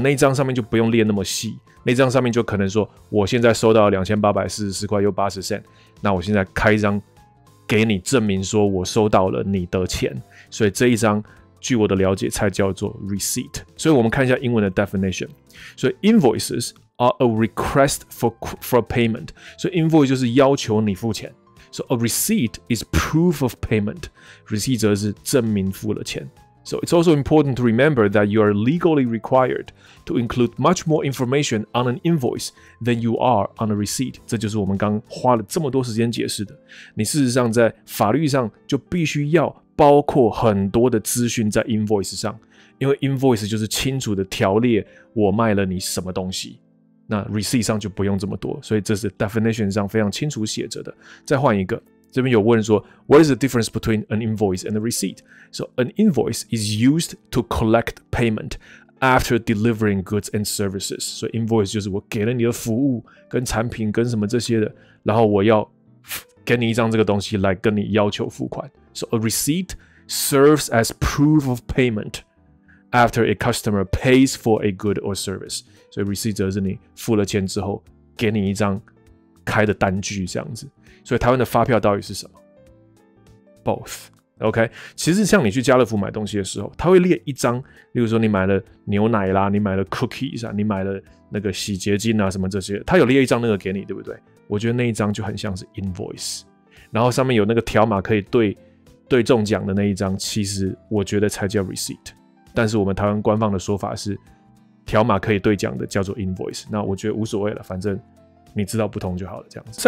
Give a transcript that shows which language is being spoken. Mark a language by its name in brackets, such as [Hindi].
[Chinese] 那一张上面就不用列那么细，那张上面就可能说，我现在收到2844块又80 cent， 那我现在开一张给你证明说我收到了你的钱，所以这一张据我的了解才叫做 receipt。所以我们看一下英文的 definition， 所以 [English] invoices are a request for payment， [Chinese] 所以 invoice 就是要求你付钱。 [English] So a receipt is proof of payment. [Chinese] Receipt 则是证明付了钱。 [English] So it's also important to remember that you are legally required to include much more information on an invoice than you are on a receipt. [Chinese] 这就是我们刚花了这么多时间解释的。你事实上在法律上就必须要包括很多的资讯在 invoice 上，因为 invoice 就是清楚的条列我卖了你什么东西。那 receipt 上就不用这么多，所以这是 definition 上非常清楚写着的。再换一个，这边有问说 [English] What is the difference between an invoice and a receipt? So an invoice is used to collect payment after delivering goods and services. [Chinese] 所以 invoice 就是我给了你的服务跟产品跟什么这些的，然后我要给你一张这个东西来跟你要求付款。 [English] So a receipt serves as proof of paymentAfter a customer pays for a good or service， [Chinese] 所以 receipt 则是你付了钱之后，给你一张开的单据这样子。所以台湾的发票到底是什么 ？Both， OK， 其实像你去家乐福买东西的时候，他会列一张，例如说你买了牛奶啦，你买了 cookies 啊，你买了那个洗洁精啊什么这些，他有列一张那个给你，对不对？我觉得那一张就很像是 invoice， 然后上面有那个条码可以对中奖的那一张，其实我觉得才叫 receipt， 但是我们台湾官方的说法是条码可以对奖的叫做 invoice， 那我觉得无所谓了，反正你知道不同就好了，这样子。